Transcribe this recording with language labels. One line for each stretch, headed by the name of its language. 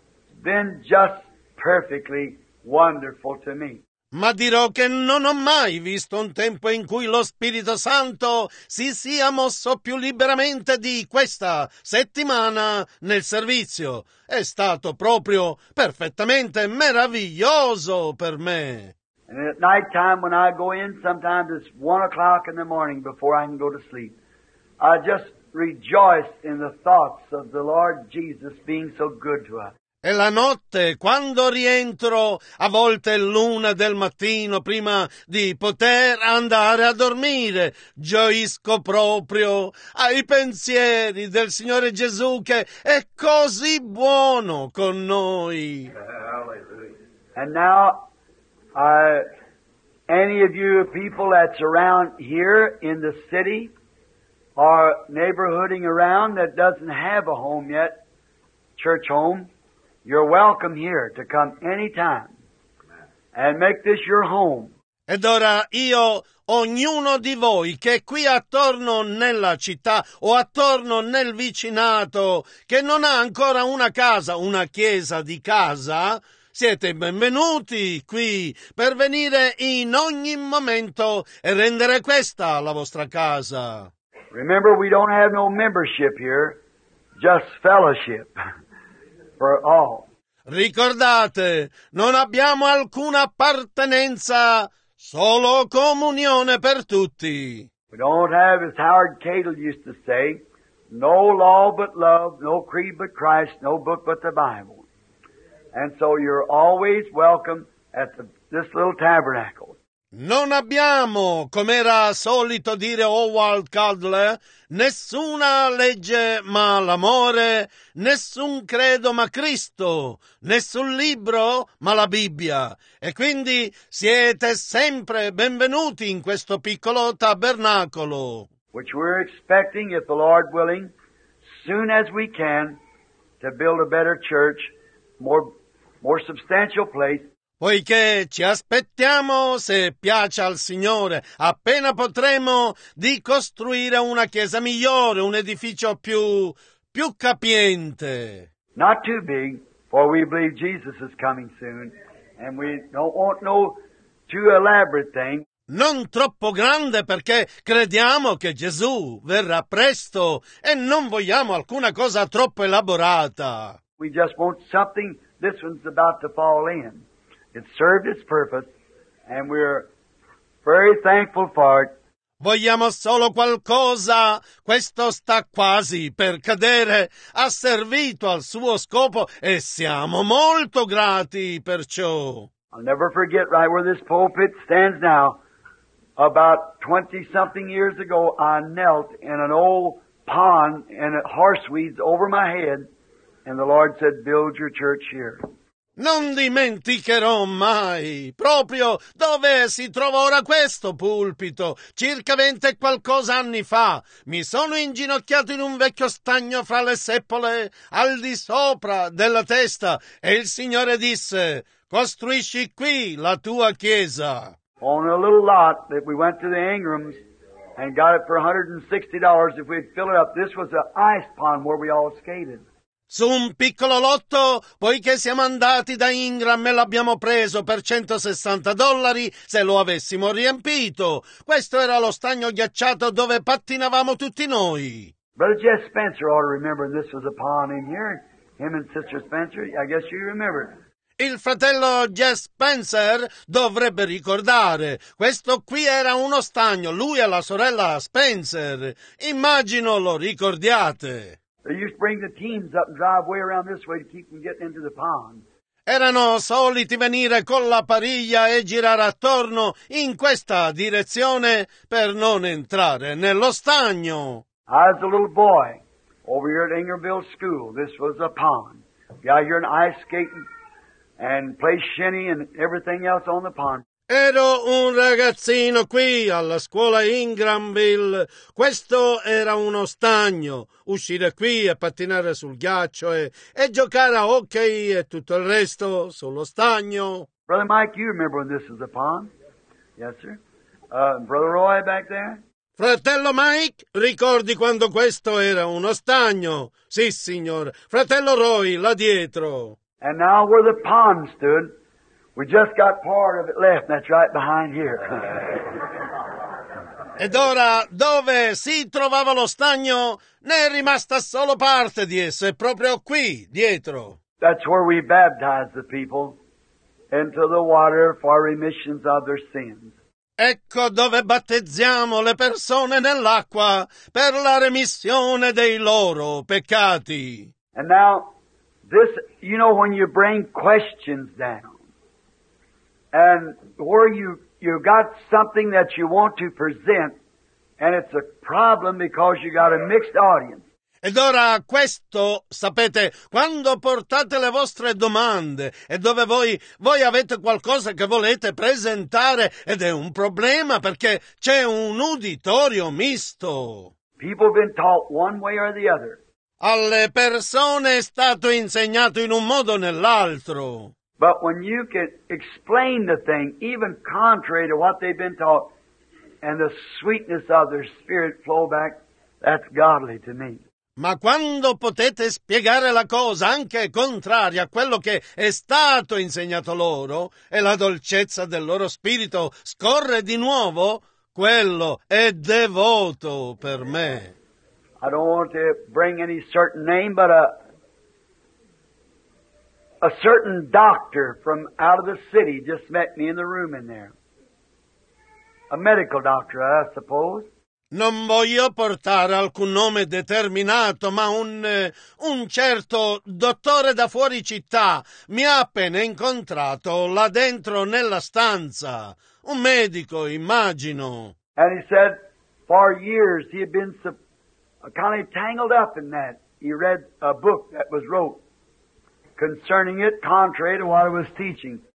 English: It's been just perfectly wonderful to me.
Italian: Ma dirò che non ho mai visto un tempo in cui lo Spirito Santo si sia mosso più liberamente di questa settimana nel servizio. È stato proprio perfettamente meraviglioso per me.
English: And at night time when I go in, sometimes it's 1 o'clock in the morning before I can go to sleep, I just rejoice in the thoughts of the Lord Jesus being so good to us.
Italian: E la notte, quando rientro, a volte l'una del mattino, prima di poter andare a dormire, gioisco proprio ai pensieri del Signore Gesù che è così buono con noi.
English: Hallelujah. And now, any of you people that's around here in the city or neighborhooding around that doesn't have a home yet, church home, you're welcome here to come anytime and make this your home.
Italian: Ed ora io, ognuno di voi che è qui attorno nella città o attorno nel vicinato, che non ha ancora una casa, una chiesa di casa, siete benvenuti qui per venire in ogni momento e rendere questa la vostra casa.
English: Remember, we don't have no membership here, just fellowship. For all.
Italian: Ricordate, non abbiamo alcuna appartenenza, solo comunione per tutti.
English: We don't have, as Howard Cadle used to say, no law but love, no creed but Christ, no book but the Bible. And so you're always welcome at this little tabernacle.
Italian: Non abbiamo, come era solito dire Howard Cadle, nessuna legge ma l'amore, nessun credo ma Cristo, nessun libro ma la Bibbia. E quindi siete sempre benvenuti in questo piccolo tabernacolo.
English: Which we're expecting, if the Lord willing, soon as we can, to build a better church, more substantial place.
Italian: Poiché ci aspettiamo, se piace al Signore, appena potremo, di costruire una chiesa migliore, un edificio più capiente.
English: Not too big, for we believe Jesus is coming soon, and we don't want no too elaborate thing.
Italian: Non troppo grande, perché crediamo che Gesù verrà presto e non vogliamo alcuna cosa troppo elaborata.
English: We just want something, this one's about to fall in. It served its purpose, and we're very thankful for it.
Italian: Vogliamo solo qualcosa. Questo sta quasi per cadere. Ha servito al suo scopo, e siamo molto grati per ciò.
English: I'll never forget right where this pulpit stands now. About 20-something years ago, I knelt in an old pond, and horse weeds over my head, and the Lord said, build your church here.
Italian: Non dimenticherò mai proprio dove si trova ora questo pulpito. Circa 20 e qualcosa anni fa mi sono inginocchiato in un vecchio stagno fra le seppole al di sopra della testa e il Signore disse: costruisci qui la tua chiesa.
English: On a little lot that we went to the Ingrams and got it for $160 if we'd fill it up. This was an ice pond where we all skated.
Italian: Su un piccolo lotto, poiché siamo andati da Ingram e l'abbiamo preso per $160 se lo avessimo riempito. Questo era lo stagno ghiacciato dove pattinavamo tutti noi.
English: Brother Jess Spencer ought to remember this was a pond in here. Him and Sister Spencer, I guess you remember.
Italian: Il fratello Jess Spencer dovrebbe ricordare. Questo qui era uno stagno, lui e la sorella Spencer. Immagino lo ricordiate.
English: They used to bring the teams up and drive way around this way to keep them getting into the pond.
Italian: Erano soliti venire con la pariglia e girare attorno in questa direzione per non entrare nello stagno.
English: I was a little boy over here at Ingerville School. This was a pond. Yeah, you're an ice skating and play shinny and everything else on the pond.
Italian: Ero un ragazzino qui alla scuola Ingramville. Questo era uno stagno. Uscire qui e pattinare sul ghiaccio e giocare a hockey e tutto il resto sullo stagno.
English: Brother Mike, you remember when this was a pond? Yes, sir. Brother Roy back there?
Italian: Fratello Mike, ricordi quando questo era uno stagno? Sì, signor. Fratello Roy, là dietro.
English: And now where the pond stood We just got part of it left, and that's right behind here.
Italian: Ed ora, dove si trovava lo stagno, ne è rimasta solo parte di esso, è proprio qui, dietro.
English: That's where we baptize the people, into the water for remissions of their sins.
Italian: Ecco dove battezziamo le persone nell'acqua per la remissione dei loro peccati.
English: And now, this, you know, when you bring questions down, and where you got something that you want to present, and it's a problem because you got a mixed audience.
Italian: Ed ora questo, sapete, quando portate le vostre domande e dove voi avete qualcosa che volete presentare ed è un problema perché c'è un uditorio misto.
English: People have been taught one way or the other.
Italian: Alle persone è stato insegnato in un modo o nell'altro.
English: But when you can explain the thing, even contrary to what they've been taught, and the sweetness of their spirit flow back, that's godly to me.
Italian: Ma quando potete spiegare la cosa anche contraria a quello che è stato insegnato loro e la dolcezza del loro spirito scorre di nuovo, quello è devoto per me.
English: I don't want to bring any certain name, but a certain doctor from out of the city just met me in the room in there. A medical doctor, I suppose.
Italian: Non voglio portare alcun nome determinato, ma un certo dottore da fuori città mi ha appena incontrato là dentro nella stanza. Un medico, immagino.
English: And he said, for years he had been kind of tangled up in that. He read a book that was wrote concerning it, contrary to what it was teaching.